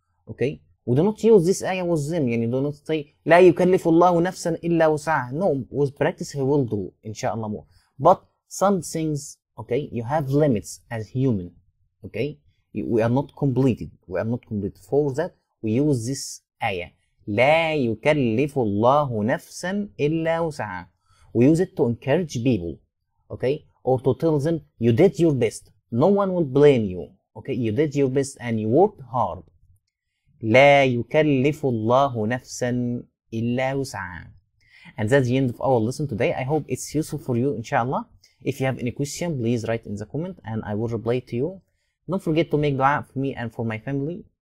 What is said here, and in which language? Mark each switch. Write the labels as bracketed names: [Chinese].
[English] Okay, we do not use this ayah with them. You do not say [Arabic] لا يكلف الله نفسا إلا وسعا. [English] No, with practice he will do inshallah more. But some things, okay, you have limits as human. Okay, we are not completed. We are not complete. For that, we use this ayah [Arabic] لا يكلف الله نفسا إلا وسعا. [English] We use it to encourage people, okay, or to tell them you did your best. No one will blame you. Okay, you did your best and you worked hard. [Arabic] لا يكلف الله نفسا إلا وسعا. [English] And that's the end of our lesson today. I hope it's useful for you, inshallah. If you have any question, please write in the comment and I will reply to you. Don't forget to make dua for me and for my family.